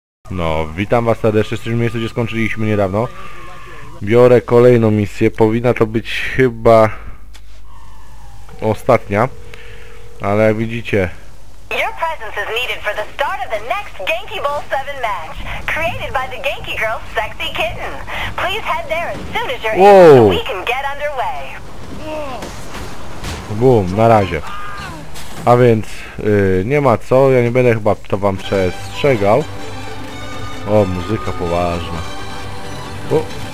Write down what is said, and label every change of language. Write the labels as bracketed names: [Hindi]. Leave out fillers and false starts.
[Polish] No, witam was serdecznie w tym miejscu, gdzie skończyliśmy niedawno. Biorę kolejną misję, powinna to być chyba ostatnia, ale jak widzicie. [English] Your presence is needed for the start of the next Genki Bowl 7 match, created by the Genki Girl Sexy Kitten. Please head there as soon as you're able, so we can get underway. [Polish] Boom, na razie. A więc nie ma co, ja nie będę chyba to wam przestrzegał. O, muzyka poważna. O.